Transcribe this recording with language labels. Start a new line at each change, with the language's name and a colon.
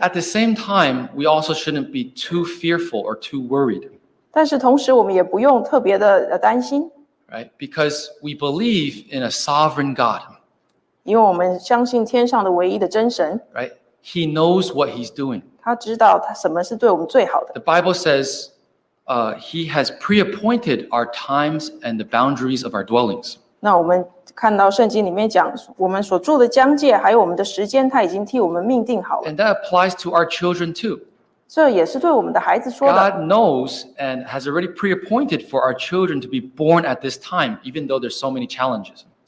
English: At the same time, we also shouldn't be too fearful or too worried.
Chinese: 但是同时我们也不用特别的担心。
English: Right? Because we believe in a sovereign God.
Chinese: 因为我们相信天上的唯一的真神。
English: Right? He knows what he's doing.
Chinese: 他知道什么是对我们最好的。
English: The Bible says, he has pre-appointed our times and the boundaries of our dwellings.
Chinese: 那我们看到圣经里面讲，我们所住的疆界，还有我们的时间，他已经替我们命定好了。
English: And that applies to our children too.
Chinese: 这也是对我们的孩子说的。
English: God knows and has already pre-appointed for our children to be born at this time, even though there's so many challenges.